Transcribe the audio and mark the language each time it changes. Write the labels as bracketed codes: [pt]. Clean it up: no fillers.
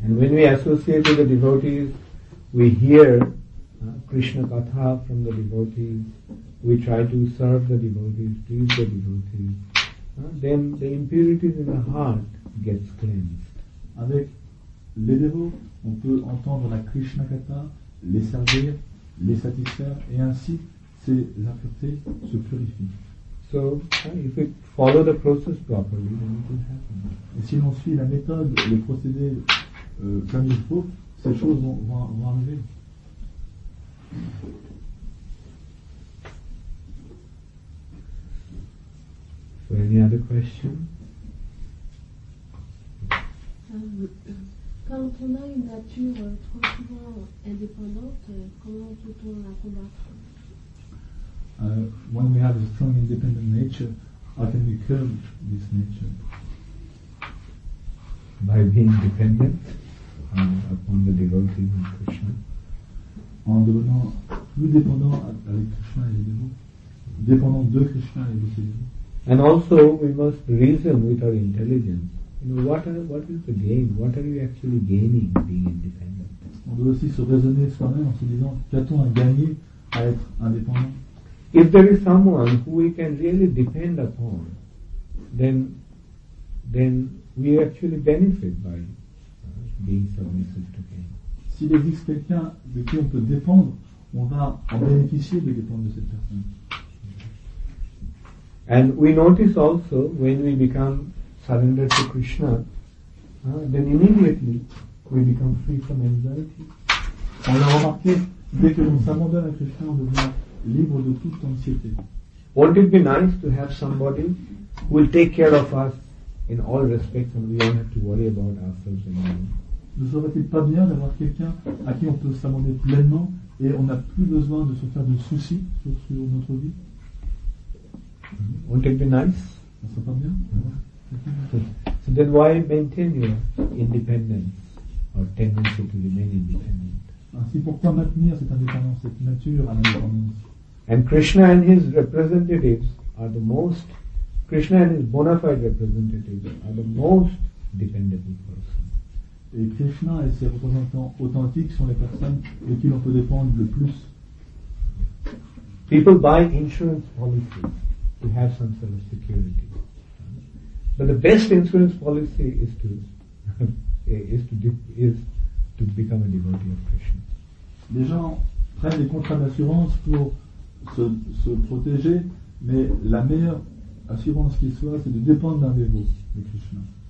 [en] And when we associate with the devotees, we hear Krishna Katha from the devotees, we try to serve the devotees, please the devotees, then the impurities in the heart gets cleansed. [fr] Avec les dévots, on peut entendre la Krishna Katha, les servir, les satisfaire, et ainsi ces impuretés se purifient. [en] So, if we follow the process properly, then it will happen. [fr] Et si l'on suit la méthode, le procédé comme il faut, ces choses vont arriver. [en] For any other question? [fr] Quand on a une nature trop souvent indépendante, comment peut-on la combattre? [en] When we have a strong independent nature, how can we curb this nature? By being dependent upon the devotees and Krishna. [fr] En devenant plus dépendant avec Krishna et les dévots. Dépendant de Krishna et de ses dévots. [en] And also we must reason with our intelligence. You know, what is the gain? What are you actually gaining being independent? [fr] On doit aussi se raisonner soi-même en se disant, qu'a-t-on à gagner à être indépendant? [en] If there is someone who we can really depend upon, then we actually benefit by being submissive to him. [fr] S'il existe quelqu'un de qui on peut dépendre, on va en bénéficier de dépendre de cette personne. [en] And we notice also when we become surrendered to Krishna, then immediately we become free from anxiety. [fr] On a remarqué dès que l'on s'abandonne à Krishna, on devient libre de toute anxiété. [en] Won't it be nice to have somebody who will take care of us in all respects and we don't have to worry about ourselves anymore? [fr] Ne serait-il pas bien d'avoir quelqu'un à qui on peut s'abandonner pleinement et on n'a plus besoin de se faire de soucis sur notre vie? [en] Won't it be nice? [fr] Ça serait pas bien? [en] So then why maintain your independence or tendency to remain independent? [fr] Ainsi, pourquoi maintenir cette indépendance, cette nature à l'indépendance? [en] And Krishna and his representatives are the most, Krishna and his bona fide representatives are the most dependable persons. [fr] Et Krishna et ses représentants authentiques sont les personnes de qui l'on peut dépendre le plus. [en] People buy insurance policies to have some sort of security. But the best insurance policy is to become a devotee of Krishna. [fr] Les gens prennent des contrats d'assurance pour se protéger, mais la meilleure assurance qui soit, c'est de dépendre d'un dévot de Krishna.